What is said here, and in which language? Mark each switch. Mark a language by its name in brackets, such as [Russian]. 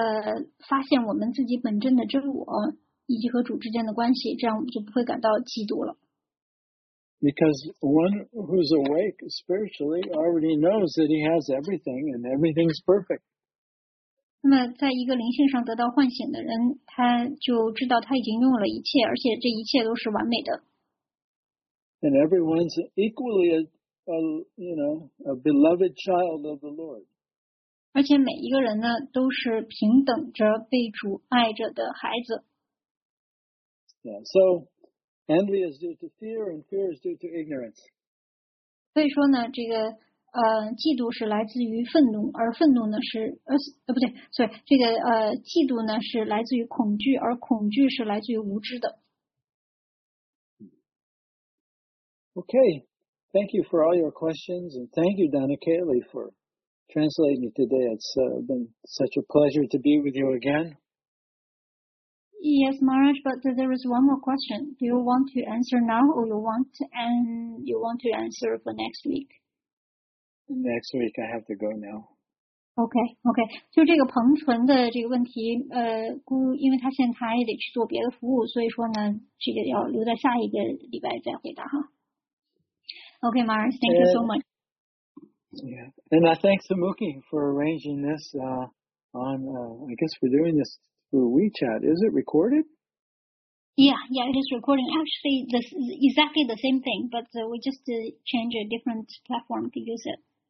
[Chinese] 那这样呢，我们就能够从我们的虚幻中走出来，然后呢，发现我们自己本真的真我。 [English] Because one who's awake spiritually already knows that he has everything and everything's perfect. [Chinese] 那么在一个灵性上得到唤醒的人，他就知道他已经拥有了一切，而且这一切都是完美的。 [English] And everyone's equally a beloved child of the Lord. [Chinese] 而且每一个人呢都是平等着被主爱着的孩子。 [English] Yeah, so envy is due to fear and fear is due to ignorance. [Chinese] 所以说呢这个嫉妒是来自于愤怒而愤怒呢是不对所以这个嫉妒呢是来自于恐惧而恐惧是来自于无知的。 [English] Okay, thank you for all your questions and thank you, Donna Cayley, for translating it today. It's been such a pleasure to be with you again. Yes, Maharaj, but there is one more question. Do you want to answer now or you want to answer for next week? Next week, I have to go now. Okay, okay. [Chinese] 就这个彭纯的这个问题，因为他现在还得去做别的服务，所以说呢，这个要留在下一个礼拜再回答哈。 [English] Okay, Maharaj, thank you so much. Yeah, and I thank Samuki for arranging this I guess we're doing this through WeChat. Is it recorded? Yeah, it is recording. Actually, this is exactly the same thing, but we just change a different platform to use it.